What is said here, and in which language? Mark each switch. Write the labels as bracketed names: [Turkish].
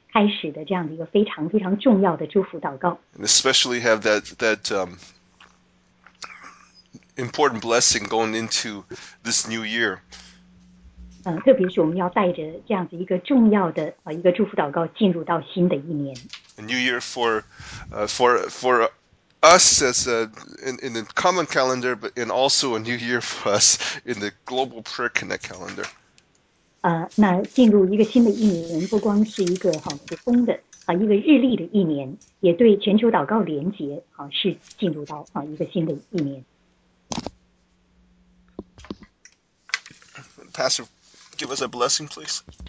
[Chinese] 我非常高兴今天在线上和大家连接。那我们还是像每一次一样，我们请这个戴医生牧师来为我们做开始的这样的一个非常非常重要的祝福祷告。 [English] And especially have that important blessing going into this new year. [Chinese] 特别是我们要带着这样子一个重要的一个祝福祷告进入到新的一年。 [English] A new year for us as in the common calendar, but and also a new year for us in the global Prayer Connect calendar. [Chinese] 那进入一个新的一年，不光是一个普通的一个日历的一年，也对全球祷告连结是进入到一个新的一年。 [English] Pastor, give us a blessing, please.